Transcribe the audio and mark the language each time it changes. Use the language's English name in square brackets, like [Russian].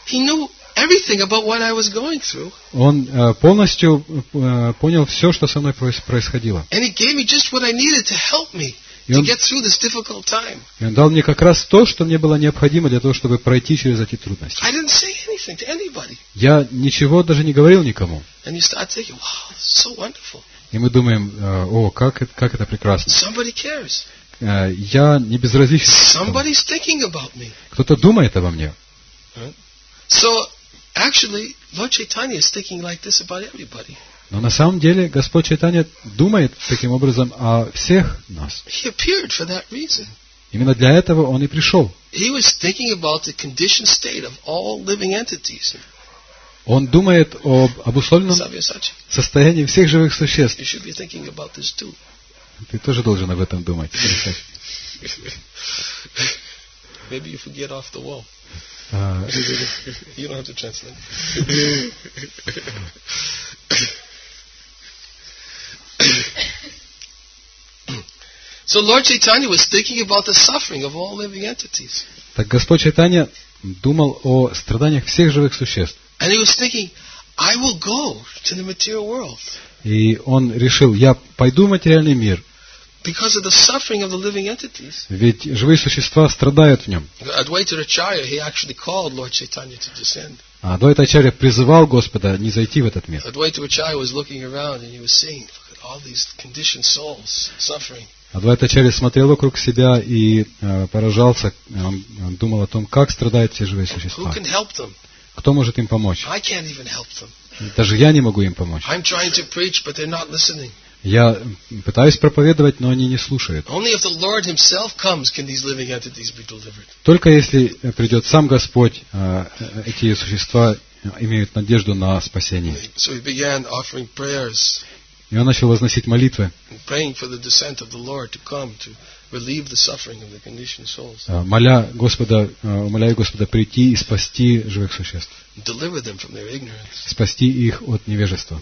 [English] He knew everything about what I was going through. [Russian] Он полностью понял все, что со мной происходило. [English] And he gave me just what I needed to help me to get through this difficult time. [Russian] И он дал мне как раз то, что мне было необходимо для того, чтобы пройти через эти трудности. [English] I didn't say anything to anybody. [Russian] Я ничего даже не говорил никому. [English] And you start thinking, wow, this is so wonderful. [Russian] И мы думаем, о, как это прекрасно. [English] Somebody cares. [Russian] Я не безразличен. [English] Somebody's thinking about me. [Russian] Кто-то думает обо мне. [English] So actually, Lord Chaitanya is thinking like this about everybody. [Russian] Но на самом деле Господь Чайтанья думает таким образом о всех нас. [English] He appeared for that reason. [Russian] Именно для этого Он и пришел. [English] He was thinking about the conditioned state of all living entities. [Russian] Он думает об условленном состоянии всех живых существ. [English] You should be thinking about this too. [Russian] Ты тоже должен об этом думать. [English] Maybe you forget off the wall. You don't have to translate. So Lord Chaitanya was thinking about the suffering of all living entities. [Russian] Так Господь Чайтанья думал о страданиях всех живых существ. [English] And he was thinking, I will go to the material world. [Russian] И он решил, я пойду в материальный мир. [English] Because of the suffering of the living entities. [Russian] Ведь живые существа страдают в нем. [English] Advaita Acharya, he actually called Lord Chaitanya to descend. [Russian] Адвайта Ачарья призывал Господа не зайти в этот мир. [English] Advaita Acharya was looking around and he was seeing all these conditioned souls suffering. [Russian] Адвайта Ачарья смотрел вокруг себя и поражался, он думал о том, как страдают все живые существа. [English] Who can help them? [Russian] Кто может им помочь? [English] I can't even help them. [Russian] Даже я не могу им помочь. [English] I'm trying to preach, but they're not listening. [Russian] Я пытаюсь проповедовать, но они не слушают. [English] Only if the Lord himself comes can these living entities be delivered. [Russian] Только если придет сам Господь, эти существа имеют надежду на спасение. [English] So he began offering prayers. [Russian] И он начал возносить молитвы. [English] Praying for the descent of the Lord to come to relieve the suffering of the conditioned souls. [Russian] Умоляя Господа прийти и спасти живых существ. [English] Deliver them from their ignorance. [Russian] Спасти их от невежества.